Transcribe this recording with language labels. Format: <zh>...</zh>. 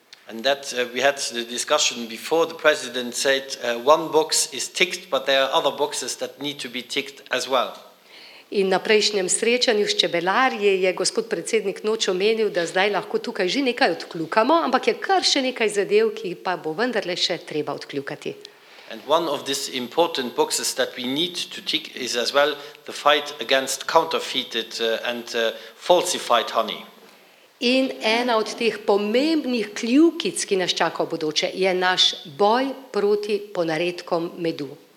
<en>And that we had the discussion before, the president said one box is ticked, but there are other boxes that need to be ticked as well.</en> <sl>In na prejšnjem srečanju s čebelarji je gospod predsednik noč omenil, da zdaj lahko tukaj že nekaj odkljukamo, ampak je kar še nekaj zadev, ki pa bo vendarle še treba odkljukati.</sl> <en>And one of these important boxes that we need to tick is as well the fight against counterfeited and falsified honey.</en> <sl>In ena od teh pomembnih kljukic, ki nas čaka v bodoče, je naš boj proti ponaredkom medu.</sl>